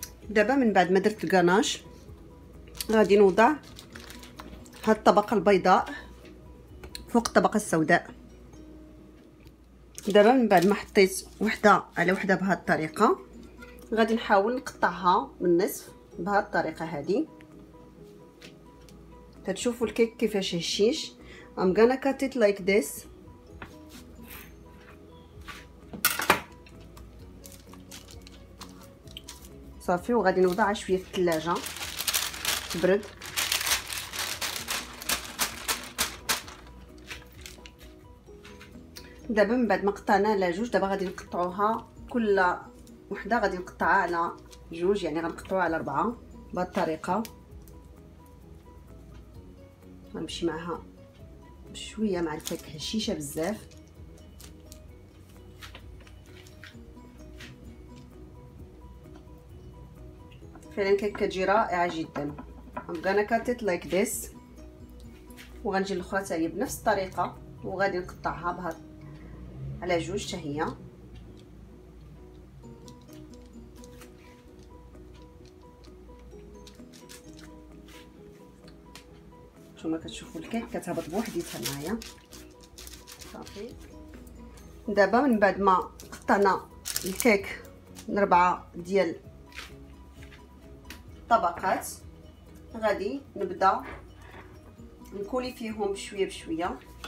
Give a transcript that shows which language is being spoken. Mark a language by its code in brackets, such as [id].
[ar] دابا من بعد ما درت الغناش غادي نوضع هاد الطبقه البيضاء فوق الطبقه السوداء. دابا من بعد ما حطيت وحده على وحده بهذه الطريقه غادي نحاول نقطعها من النصف بهذه الطريقه هذه. كتشوفوا الكيك كيفاش هشيش. [en] I'm gonna cut it like this. [ar] صافي، وغادي نوضعها شويه في الثلاجه تبرد. دابا من بعد ما قطعنا على جوج دابا غادي نقطعوها كل وحده غادي نقطعها على جوج، يعني غنقطعوها على اربعه بهذه الطريقه. غنمشي معها بشويه مع الكيك هشيشه بزاف. فعلا الكيك كتجي رائعه جدا. [en] I'm gonna cut it like this. [ar] وغنجي الاخرى حتى هي بنفس الطريقه وغادي نقطعها بهذا على جوج حتى هي. كما كتشوفوا الكيك كتهبط بوحديتها معايا. صافي، دابا من بعد ما قطعنا الكيك لربعه ديال الطبقات غادي نبدا نكولي فيهم بشويه بشويه.